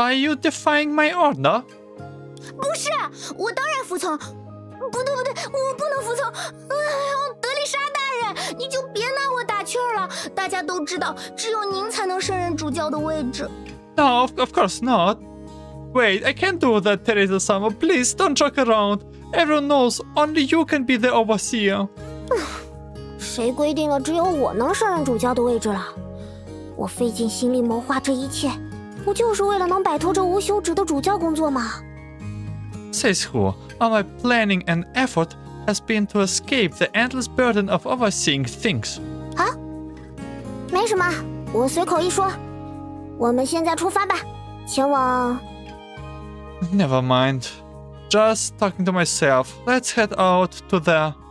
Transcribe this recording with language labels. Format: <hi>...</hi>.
<en>are you defying my order?</en> <zh>不是，我当然服从。不对不对，我不能服从。德丽莎大人，你就别拿我打趣了。大家都知道，只有您才能胜任主教的位置。No,</zh> <en>of course not. Wait, I can't do that, Teresa Summer. Please don't joke around. Everyone knows only you can be the overseer.</en> <zh>谁规定了只有我能胜任主教的位置了？我费尽心力谋划这一切，不就是为了能摆脱这无休止的主教工作吗</zh> <en>Says who? All my planning and effort has been to escape the endless burden of overseeing things.</en> <zh>Huh? 没什么，我随口一说。</zh> <en>Never mind. Just talking to myself. Let's head out to the...</en>